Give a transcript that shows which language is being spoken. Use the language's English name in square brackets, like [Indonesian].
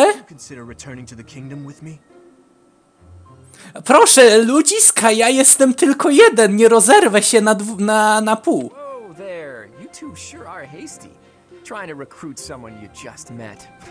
[English] Consider returning to the kingdom with me? [Polish] Proszę, ludziska, ja jestem tylko jeden, nie rozerwę się na pół. [English] Oh, there, you two sure are hasty. Trying to recruit someone you just met.